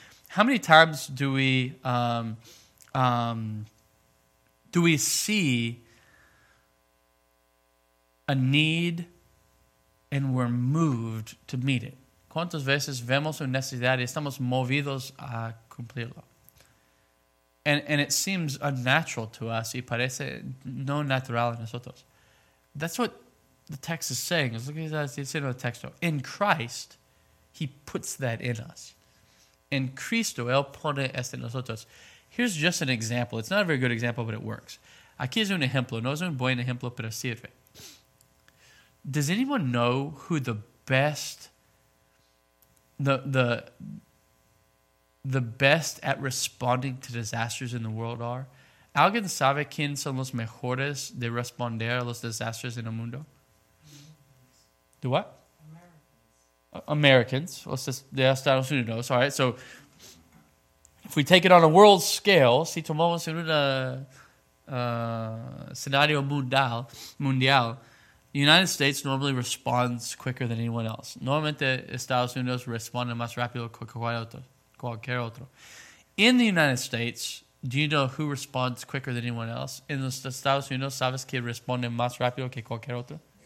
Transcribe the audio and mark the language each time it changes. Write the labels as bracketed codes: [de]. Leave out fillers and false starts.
[en] How many times do we see a need and we're moved to meet it? [es] ¿Cuántas veces vemos una necesidad y estamos movidos a cumplirlo? [en] And it seems unnatural to us [es] y parece no natural a nosotros. [en] That's what the text is saying. Look at what it's in the text. In Christ, he puts that in us. In [es] Cristo, él pone esto en nosotros. [en] Here's just an example. It's not a very good example, but it works. [es] Aquí es un ejemplo. No es un buen ejemplo, pero sirve. [en] Does anyone know who the best, the best at responding to disasters in the world are? [es] ¿Alguien sabe quién son los mejores de responder a los desastres en el mundo? [en] The what? Americans. Estados Unidos. All right. So, if we take it on a world scale, [es] si tomamos en un escenario mundial, [en] the United States normally responds quicker than anyone else. [es] Normalmente, Estados Unidos responde más rápido que cualquier otro. [en] In the United States, do you know who responds quicker than anyone else? [es] In los Estados Unidos, ¿sabes quién responde más rápido que cualquier otro?